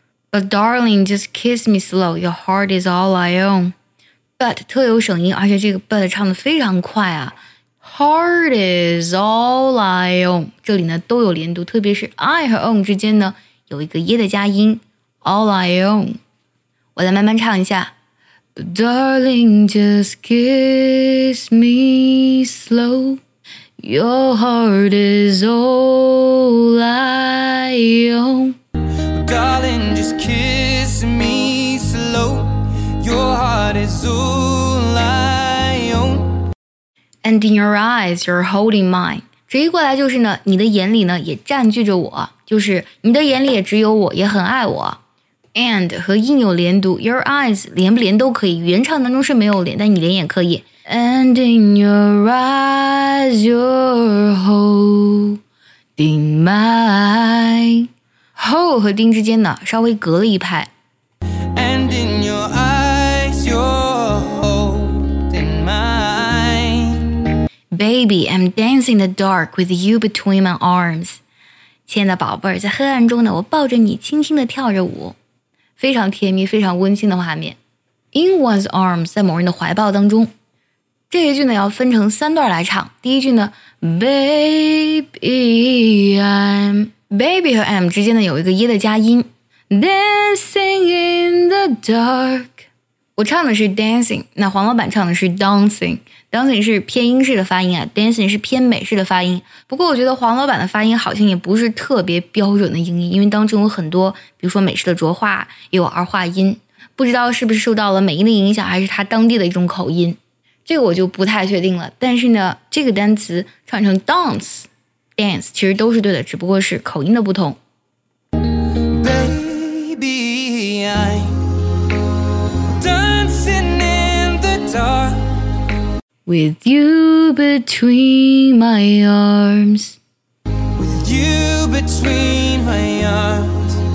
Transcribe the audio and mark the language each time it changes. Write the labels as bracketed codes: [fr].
[en] but darling, just kiss me slow. Your heart is all I own. [zh] But 特有声音，而且这个 but 唱的非常快啊。 [en] Heart is all I own. [zh] 这里呢都有连读，特别是 I 和 own 之间呢有一个耶的加音。 [en] All I own. [zh] 我来慢慢唱一下。 [en] But darling, just kiss me slow. Your heart is all I own. But darling, just kiss me slow. Your heart is all I own. And in your eyes, you're holding mine. [zh] 直译过来就是呢，你的眼里呢也占据着我，就是你的眼里也只有我，也很爱我。 And 和 in 有连读 ， [en] Your eyes [zh] 连不连都可以。原唱当中是没有连，但你连也可以。 [en] And in your eyes, you're holding mine. [zh] Hold 和 ding 之间呢，稍微隔了一拍。 [en] And in your eyes, you're holding mine. Baby, I'm dancing in the dark with you between my arms. [zh] 亲爱的宝贝儿，在黑暗中呢，我抱着你，轻轻地跳着舞。非常甜蜜非常温馨的画面 [en] In one's arms [zh] 在某人的怀抱当中这一句呢要分成三段来唱第一句呢 [en] Baby I'm [zh] Baby 和 I'm 之间呢有一个耶的加音 [en] Dancing in the dark [zh] 我唱的是 dancing 那黄老板唱的是 dancing dancing 是偏英式的发音啊 dancing 是偏美式的发音不过我觉得黄老板的发音好像也不是特别标准的英音因为当中有很多比如说美式的浊化也有儿化音不知道是不是受到了美音的影响还是他当地的一种口音这个我就不太确定了但是呢这个单词串成 dance dance 其实都是对的只不过是口音的不同 [en] Baby I dancing in the darkWith you between my arms. With you between my arms.